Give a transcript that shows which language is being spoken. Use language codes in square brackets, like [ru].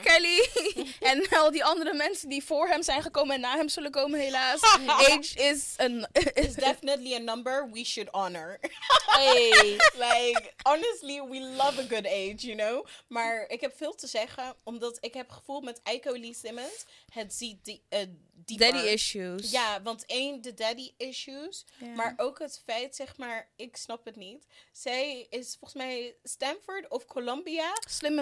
[nl] Kelly en al die andere mensen die voor hem zijn gekomen en na hem zullen komen helaas. Age is een... [en] is definitely a number we should honor. Hey. Like, honestly, we love a good age, you know? [nl] Maar ik heb veel te zeggen, omdat ik heb gevoel met Aiko Lee Simmons, het ziet [en] daddy issues. [nl] Ja, want één, de daddy issues. Yeah. Maar ook het feit, zeg maar, ik snap het niet. Zij is volgens mij Stanford of Columbia. Slimme